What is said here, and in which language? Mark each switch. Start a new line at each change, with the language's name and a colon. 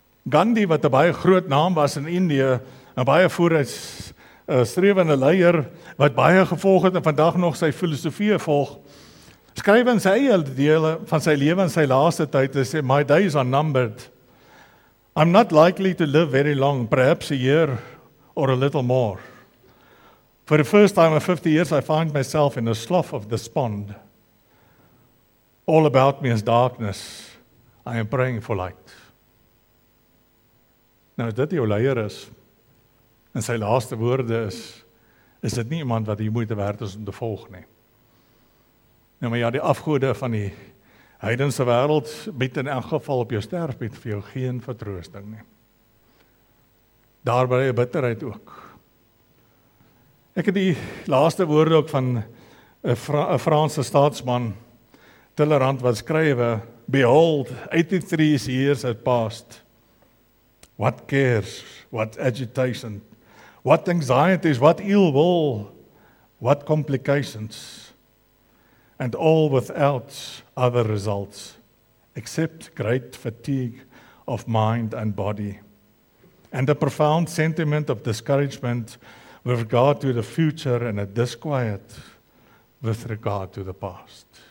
Afrikaans: Gandhi, wat 'n baie groot naam was in Indië, 'n baie vooruitstrewende leier, wat baie gevolg het en vandag nog sy filosofie volg, skryf in sy eie dele van sy lewe in sy laaste tyd, hy sê,
English: my days are numbered. I'm not likely to live very long, perhaps a year or a little more. For the first time in 50 years, I find myself in a slough of despond. All about me is darkness. I am praying for light.
Afrikaans: Nou, as dit jou leier is, en sy laaste woorde is, is dit nie iemand wat die moeite werd is om te volg nie. Nou, maar ja, die afgode van die heidense wêreld bied in elk geval op jou sterfbed vir jou geen vertroosting nie. Daarby 'n bitterheid ook. Ek het die laaste woorde ook van 'n Franse staatsman, Talleyrand, wat skrywe,
English: Behold, 83 years have passed. What cares, what agitation, what anxieties, what ill will, what complications, and all without other results, except great fatigue of mind and body, and a profound sentiment of discouragement with regard to the future and a disquiet with regard to the past.